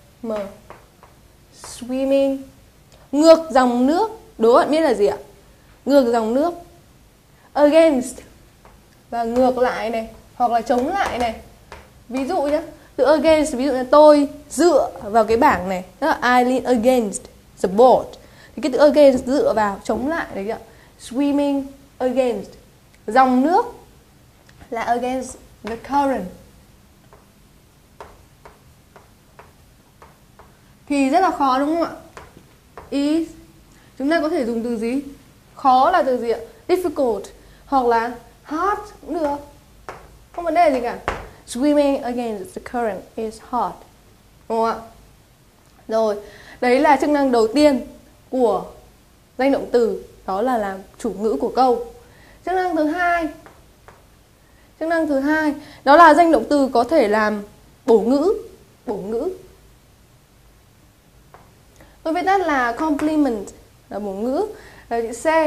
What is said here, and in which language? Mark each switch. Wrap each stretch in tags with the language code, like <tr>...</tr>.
<vi>M. Swimming. Ngược dòng nước. Đố bạn biết là gì ạ? Ngược dòng nước. Against. Và ngược lại này, hoặc là chống lại này, Ví dụ nhé, từ against, ví dụ như tôi dựa vào cái bảng này, tức là</vi> <en>I lean against the board.</en> <vi>Thì cái từ against dựa vào, chống lại đấy ạ.</vi> <en>Swimming against,</en> <vi>dòng nước là</vi> <en>against the current.</en> <vi>Thì rất là khó đúng không ạ? Is, chúng ta có thể dùng từ gì? Khó là từ gì ạ? Difficult hoặc là hard cũng được. Không vấn đề gì cả.</vi> <en>Swimming against the current is hard.</en> <vi>Đúng không ạ? Rồi, đấy là chức năng đầu tiên của danh động từ, đó là làm chủ ngữ của câu. Chức năng thứ hai, chức năng thứ hai đó là danh động từ có thể làm bổ ngữ. Bổ ngữ tôi viết tắt là complement, là bổ ngữ, là chữ C.</vi>